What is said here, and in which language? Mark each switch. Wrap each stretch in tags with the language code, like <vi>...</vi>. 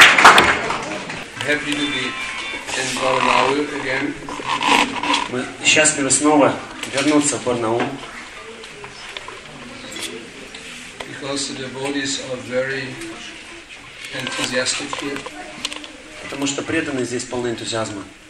<en>Happy to be in Barnaul again.</en> <ru>Мы счастливы снова вернуться в Барнаул.</ru> <en>Because the devotees are very enthusiastic here.</en> <ru>Потому что преданные здесь полны энтузиазма.</ru>